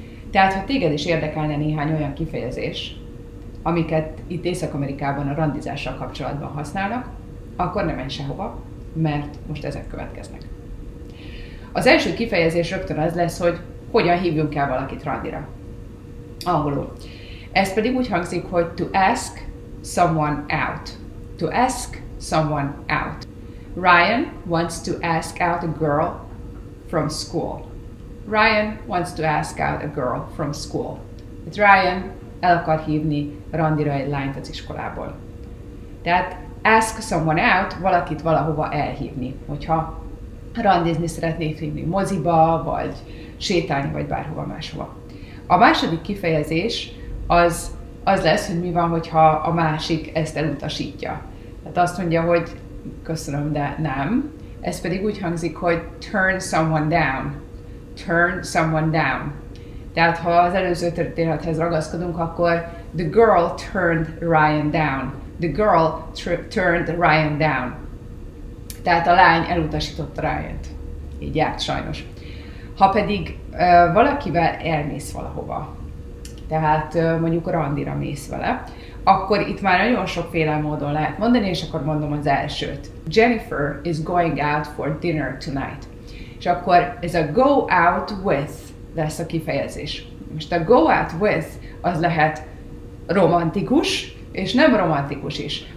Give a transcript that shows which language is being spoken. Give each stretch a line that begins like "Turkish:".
Hungarian: Tehát, ha téged is érdekelne néhány olyan kifejezés, amiket itt Észak-Amerikában a randizással kapcsolatban használnak, akkor ne menj sehova, mert most ezek következnek. Az első kifejezés rögtön az lesz, hogy hogyan hívjunk el valakit randira. Angolul. Ez pedig úgy hangzik, hogy
English: to ask someone out. To ask someone out. Ryan wants to ask out a girl from school. Ryan wants to ask out a girl from school.
Hungarian: It's Ryan el akar hívni randira egy lányt az iskolából. Tehát
English: ask someone out,
Hungarian: valakit valahova elhívni, hogyha randizni szeretnék hívni moziba, vagy sétálni, vagy bárhova máshova. A második kifejezés az lesz, hogy mi van, hogyha a másik ezt elutasítja. Tehát azt mondja, hogy köszönöm, de nem. Ez pedig úgy hangzik, hogy
English: turn someone down. Turn someone down.
Hungarian: Tehát ha az előző történethez ragaszkodunk, akkor
English: the girl turned Ryan down. The girl turned Ryan down.
Hungarian: Tehát a lány elutasította Ryant. Így járt sajnos. Ha pedig valakivel elmész valahova, tehát mondjuk randira mész vele, akkor itt már nagyon sokféle módon lehet mondani, és akkor mondom az elsőt.
English: Jennifer is going out for dinner tonight.
Hungarian: És akkor ez a
English: go out with
Hungarian: lesz a kifejezés. Most a
English: go out with
Hungarian: az lehet romantikus, és nem romantikus is.